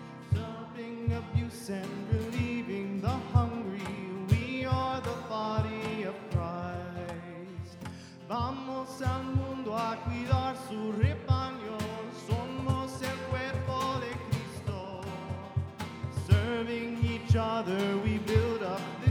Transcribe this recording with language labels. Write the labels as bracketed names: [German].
[English] Serving, abuse, and relieving the hungry. We are the body of Christ. [Spanish] Vamos al mundo a cuidar su rebaño. Somos el cuerpo de Cristo. [English] Serving each other, we build up.